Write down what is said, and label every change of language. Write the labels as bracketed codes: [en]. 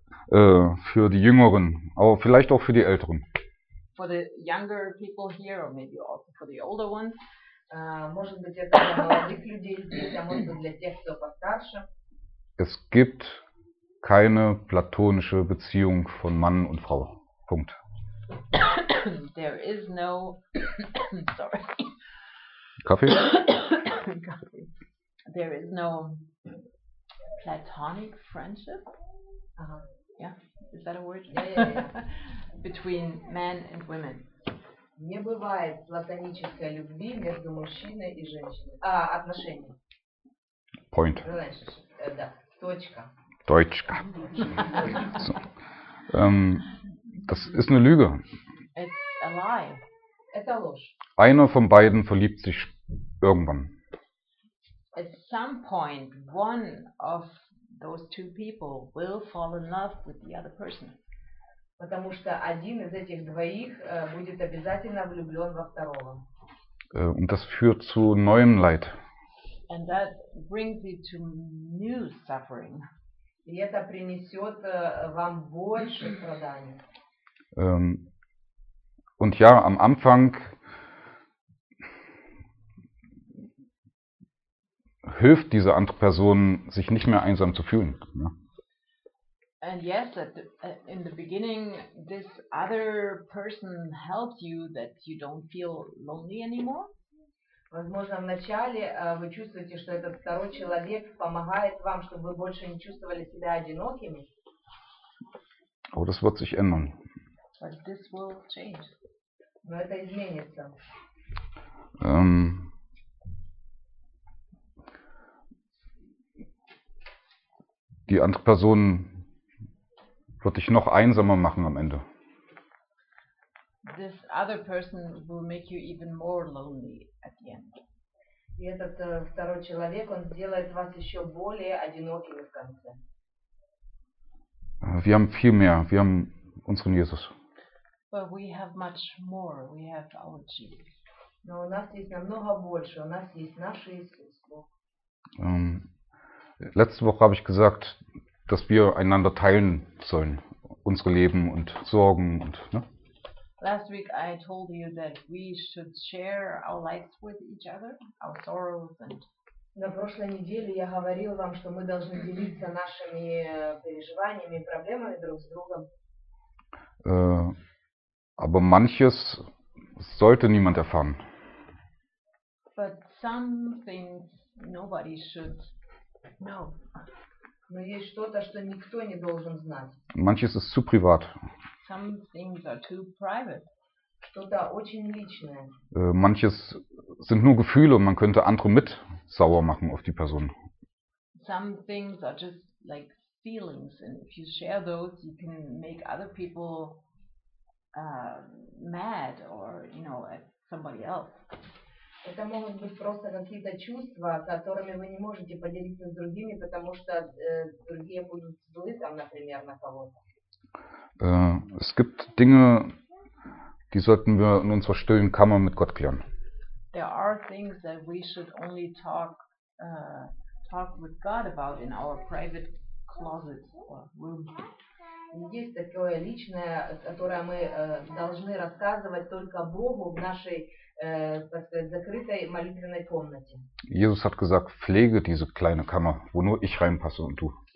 [de] Für die Jüngeren, aber vielleicht auch für die Älteren. [en] For the younger people here, or maybe also for the older ones. [ru] Может быть, это для молодых людей, а может быть, для тех, кто постарше. [de] Es gibt keine platonische Beziehung von Mann und Frau. Punkt. [en] There is no... Sorry. [de] Kaffee? [en] There is no platonic friendship? Yeah, is that a word? Yeah. Between men and women. [ru] Не бывает платонической любви между мужчиной и женщиной. А, отношений. [en] Point. [ru] Точка. Deutschka. [de] So. Das ist eine Lüge. [en] It's a lie. [ru] Это ложь. [de] Einer von beiden verliebt sich irgendwann. [en] At some point, one of those two people will fall in love with the other person. [ru] Потому что один из этих двоих будет обязательно влюблен во второго. [de] Und das führt zu neuem Leid. [en] And that brings you to new suffering. [ru] И это принесет вам больше страданий. [de] Und ja, am Anfang hilft diese andere Person, sich nicht mehr einsam zu fühlen. Ja. [en] And yes, in the beginning, this other person helps you, that you don't feel lonely anymore. [ru] Возможно, вначале вы чувствуете, что этот второй человек помогает вам, чтобы вы больше не чувствовали себя одинокими. Но это [de] wird sich ändern. [en] But this will change. [ru] Но это изменится. [de] Die andere Person wird dich noch einsamer machen am Ende. [en] This other person will make you even more lonely at the end. [ru] И этот второй человек, он сделает вас еще более одинокими в конце. [de] Wir haben viel mehr. Wir haben unseren Jesus. [en] But we have much more. We have our Jesus. [ru] Но у нас есть намного больше. У нас есть наш Иисус. [de] Letzte Woche habe ich gesagt, dass wir einander teilen sollen, unsere Leben und Sorgen und, ne? [en] Last week I told you that we should share our lives with each other, our sorrows and. [ru] На прошлой неделе я говорил вам, что мы должны делиться нашими переживаниями, проблемами друг с другом. [de] Aber manches sollte niemand erfahren. [en] But some things nobody should. No. [ru] Но есть что-то, что никто не должен знать. [de] Manches ist zu privat. [en] Some things are too private. [ru] Что-то очень личное. [de] Manches sind nur Gefühle und man könnte andere mit sauer machen auf die Person. [en] Some things are just like feelings and if you share those, you can make other people mad or, you know, at somebody else. [ru] Это могут быть просто какие-то чувства, которыми вы не можете поделиться с другими, потому что другие будут злы, там, например, на кого-то. [de] Es gibt Dinge, die sollten wir in unserer stillen Kammer mit Gott klären. [en] There are things that we should only talk with God about in our private closet or room. [ru] Есть такое личное, которое мы должны рассказывать только Богу в нашей, так сказать, закрытой молитвенной комнате. [de] Jesus hat gesagt, pflege diese kleine Kammer, wo nur ich reinpasse und du.